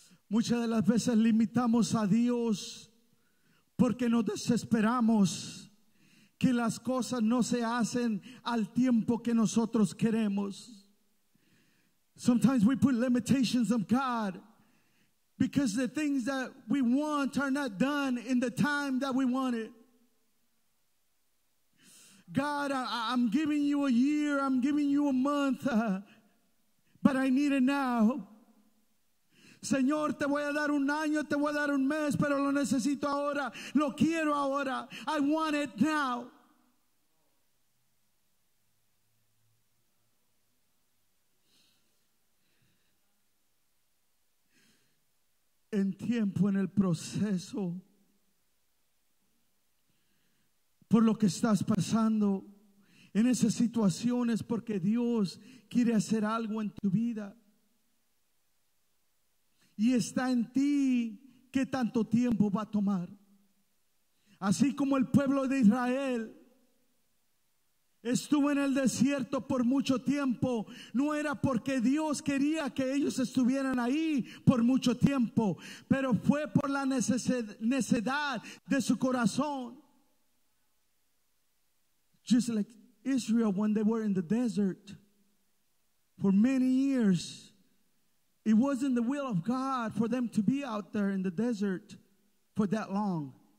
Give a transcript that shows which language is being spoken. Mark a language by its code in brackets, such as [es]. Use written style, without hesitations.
[es] Muchas de las veces limitamos a Dios porque nos desesperamos que las cosas no se hacen al tiempo que nosotros queremos. [en] Sometimes we put limitations on God because the things that we want are not done in the time that we want it. God, I'm giving you a year, I'm giving you a month, but I need it now. [es] Señor, te voy a dar un año, te voy a dar un mes, pero lo necesito ahora, lo quiero ahora. [en] I want it now. [es] En tiempo, en el proceso, por lo que estás pasando, en esas situaciones, porque Dios quiere hacer algo en tu vida. Y está en ti qué tanto tiempo va a tomar. Así como el pueblo de Israel estuvo en el desierto por mucho tiempo, no era porque Dios quería que ellos estuvieran ahí por mucho tiempo, pero fue por la necedad de su corazón. [en] Just like Israel when they were in the desert for many years. It wasn't the will of God for them to be out there in the desert for that long.